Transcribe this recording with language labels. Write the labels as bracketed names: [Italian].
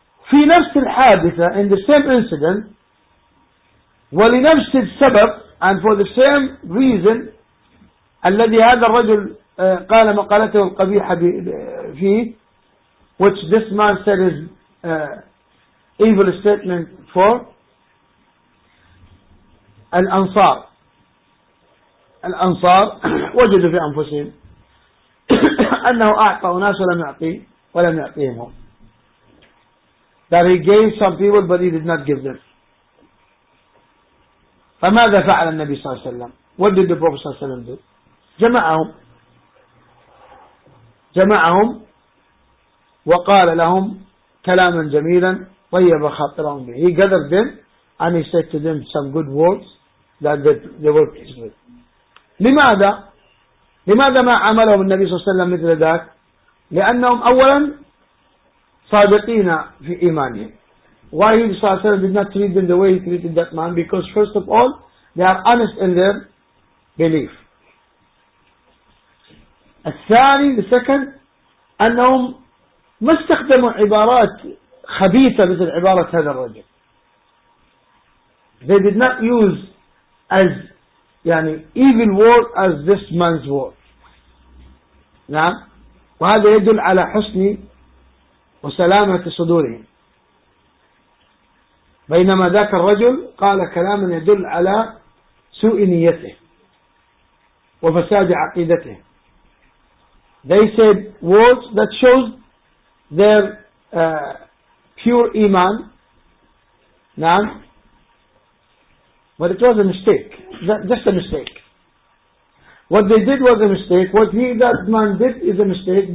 [Arabic] في نفس الحادثة, [English] in the same incident, [Arabic] ولنفس السبب, [English] and for the same reason, [Arabic] الذي هذا الرجل قال مقالته القبيحة فيه, [English] which this man said is evil statement for الأنصار. [Arabic] الأنصار وجدوا في أنفسهم أنه أعطى ناس ولم يعطيهم. [English] That he gave some people but he did not give them. [Arabic] فماذا فعل النبي صلى الله عليه وسلم؟ [English] What did the Prophet [Arabic] صلى الله عليه وسلم [English] do? [Arabic] جمعهم وقال لهم كلاما جميلا طيب خاطرهم به. [English] He gathered them and he said to them some good words that they were pleased with. [Arabic] لماذا ما عملهم النبي صلى الله عليه وسلم مثل ذاك؟ لأنهم أولا صادقين في إيمانهم. [English] Why he [Arabic] صلى الله عليه وسلم [English] did not treat them the way he treated that man? Because first of all They are honest in their belief. [Arabic] الثاني, [English] the second, [Arabic] أنهم ما استخدموا عبارات خبيثة مثل عبارة هذا الرجل. [English] They did not use as يعني evil word as this man's word. [Arabic] نعم, وهذا يدل على حسن وسلامة صدورهم, بينما ذاك الرجل قال كلاما يدل على سوء نيته وفساد عقيدته. [English] They said words that shows their pure iman. [Arabic] نعم, [English] but it was a mistake. Just a mistake. What they did was a mistake. What he, that man, did is a mistake.